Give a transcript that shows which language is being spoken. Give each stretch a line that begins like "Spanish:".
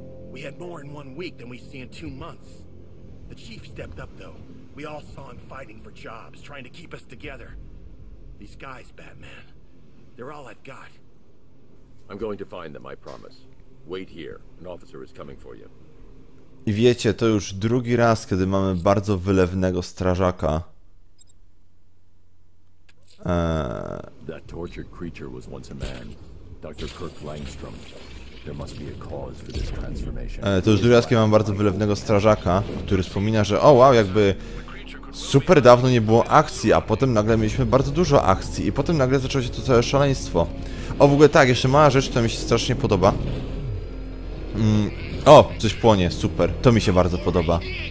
English: We had more in 1 week than we see in 2 months. The chief stepped up, though. We all saw him fighting for jobs, trying to keep us together. These guys, Batman, they're all I've got. I'm going to find them, I promise. Wait here. An officer is coming for you.
Polish: I wiecie, to już drugi raz, kiedy mamy bardzo wylewnego strażaka.
English: That tortured creature was once a man, Dr. Kirk Langstrom. There must be a cause for this transformation.
Polish: To już drugi raz, kiedy mamy bardzo wylewnego strażaka, który wspomina, że o, wow, jakby super dawno nie było akcji, a potem nagle mieliśmy bardzo dużo akcji i potem nagle zaczęło się to całe szaleństwo. O, w ogóle tak, jeszcze mała rzecz, która mi się strasznie podoba. O, coś płonie, super. To mi się bardzo podoba.